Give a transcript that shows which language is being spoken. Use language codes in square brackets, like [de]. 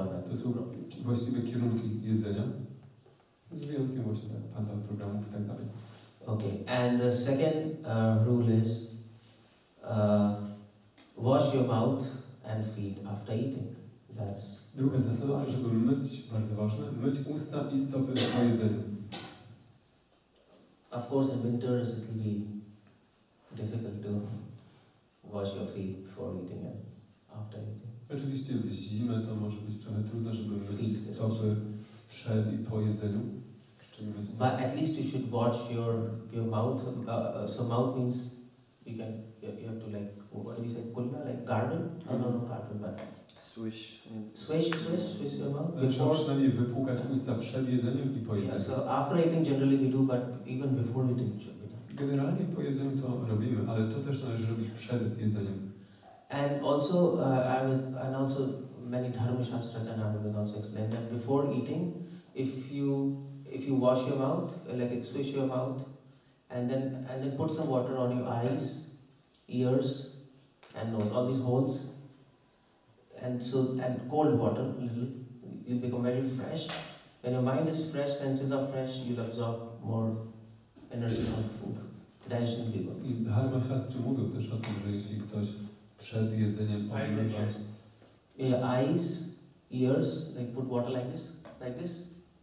[pl] To są właściwie kierunki jedzenia. Z wyjątkiem właśnie tak, pandal programów i tak dalej. [en] Okay, and the second rule is wash your mouth and feet after eating. That's [pl] druga zasada to, żeby myć, bardzo ważne, myć usta i stopy po jedzeniu. [en] Of course, in winter it will be difficult to wash your feet before eating and after eating. [pl] Oczywiście w zimę to może być trochę trudne, żeby myć stopy przed i po jedzeniu. [en] But at least you should wash your mouth. So mouth means you have to like, what do you say, kulna, like garden? No, garden, but Swish your mouth before. [pl] Trzeba przynajmniej wypłukać usta przed jedzeniem i po jedzeniu. [en] So after eating generally we do, but even before eating it should be done. [pl] Generalnie po jedzeniu to robimy, ale to też należy robić przed jedzeniem. [en] And also, and also many dharmashastras and others also explain that before eating, if you wash your mouth, like swish your mouth, and then put some water on your eyes, ears, and nose, all these holes. And cold water, you'll become very fresh. When your mind is fresh, senses are fresh, you'll absorb more energy from the food. Digestion will be good. [pl] I dharmashastry mówią też o tym, że jeśli ktoś przed jedzeniem powinien... [en] Eyes, yeah, eyes, ears, like put water like this, like this.